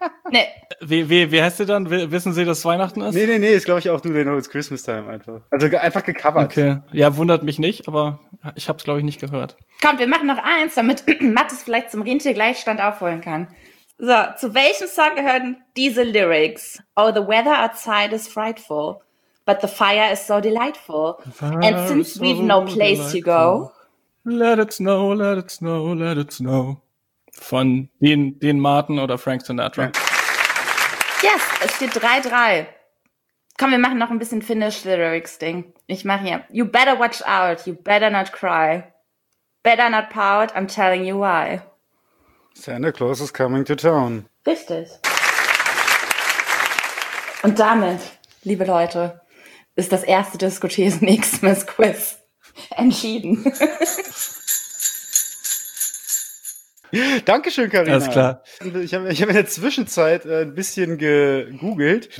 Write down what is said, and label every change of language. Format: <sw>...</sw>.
<de>Nee. Wie heißt der dann? Wissen Sie, dass Weihnachten ist? Nee, ist glaube ich auch Do They Know It's Christmas Time einfach. Also einfach gecovert. Okay, ja, wundert mich nicht, aber ich habe es glaube ich nicht gehört. Komm, wir machen noch eins, damit Mattes vielleicht zum Rentiergleichstand aufholen kann. So, zu welchem Song gehören diese Lyrics?</de> <en>Oh, the weather outside is frightful, but the fire is so delightful. And since so we've no place to go. Let it snow, let it snow, let it snow.</en> <de>Von Dean Martin oder Frank Sinatra. Yes, es steht 3-3. Komm, wir machen noch ein bisschen Finnish Lyrics Ding. Ich mach hier.</de> <en>You better watch out, you better not cry. Better not pout, I'm telling you why. Santa Claus is coming to town.</en> <de>Richtig. Und damit, liebe Leute, ist das erste Disco-Thesen Xmas Quiz entschieden. Dankeschön, Carina. Alles klar. Ich hab in der Zwischenzeit ein bisschen gegoogelt.</de>